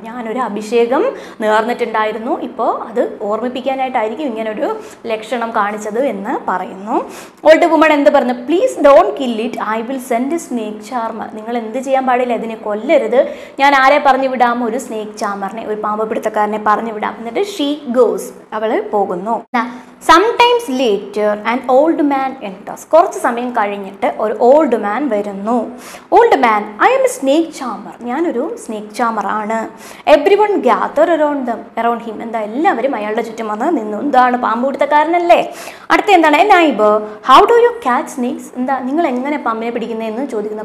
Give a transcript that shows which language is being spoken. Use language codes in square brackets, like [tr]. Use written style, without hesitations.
[ml] ഞാനൊരു അഭിഷേകം നേർന്നിട്ടുണ്ടായിരുന്നു, ഇപ്പോൾ അത് ഓർമ്മിപ്പിക്കാനായിട്ടായിരിക്കും ഇങ്ങനൊരു ലക്ഷണം കാണിച്ചത് എന്ന് പറയുന്നു. [en] old woman [ml] എന്ത് പറഞ്ഞു? [en] Please don't kill it, I will send a snake charmer. [ml] നിങ്ങൾ എന്ത് ചെയ്യാൻ പാടില്ല, അതിനെ കൊല്ലരുത്. ഞാൻ ആരെ പറഞ്ഞു വിടാം? ഒരു സ്നേക് ചാർമറിനെ, ഒരു പാമ്പ് പിടുത്തക്കാരനെ പറഞ്ഞു വിടാം. എന്നിട്ട് [en] she goes, [ml] അവള് പോകുന്നു. [en] Sometimes later an old man enters. [ml] കുറച്ച് സമയം കഴിഞ്ഞിട്ട് ഒരു ഓൾഡ് മാൻ വരുന്നു. Old man, [en] I am a snake charmer, [ml] ഞാനൊരു സ്നേക് ചാമർ ആണ്. [en] everyone gather around them around him, [ml] എന്താ എല്ലാവരും അയാളുടെ ചുറ്റും വന്ന് നിന്നു. എന്താണ്? പാമ്പ് പിടുത്തക്കാരനല്ലേ. അടുത്ത എന്താണ്? [en] a neighbour, how do you catch snakes, [ml] എന്താ നിങ്ങൾ എങ്ങനെ പാമ്പിനെ പിടിക്കുന്നത് എന്ന് ചോദിക്കുന്നു.